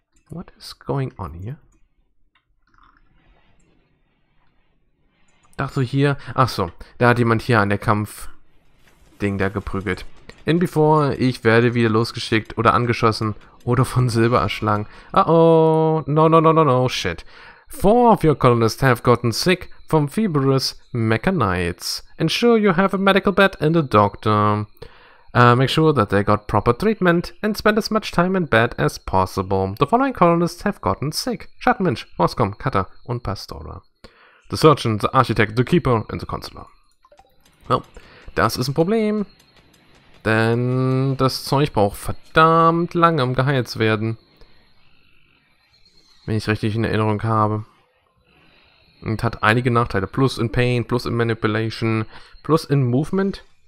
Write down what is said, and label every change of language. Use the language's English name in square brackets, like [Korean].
[English] What is going on here? [German] Ach so, hier. Ach so, da hat jemand hier an der Kampf-Ding da geprügelt. [English] In before, [German] ich werde wieder losgeschickt oder angeschossen oder von Silber erschlagen. [English] Uh-oh, no, no, no, no, no, shit. Four of your colonists have gotten sick from feverish mechanites. Ensure you have a medical bed and a doctor. Make sure that they got proper treatment and spend as much time in bed as possible. The following colonists have gotten sick. Schattenmensch, Roscom, Cutter und Pastora. The surgeon, the architect, the keeper and the consular. Well, [German] das ist ein Problem. Denn das Zeug braucht verdammt lange, um geheilt zu werden. Wenn ich richtig in Erinnerung habe. Und hat einige Nachteile. [English] Plus in Pain, plus in Manipulation, plus in Movement.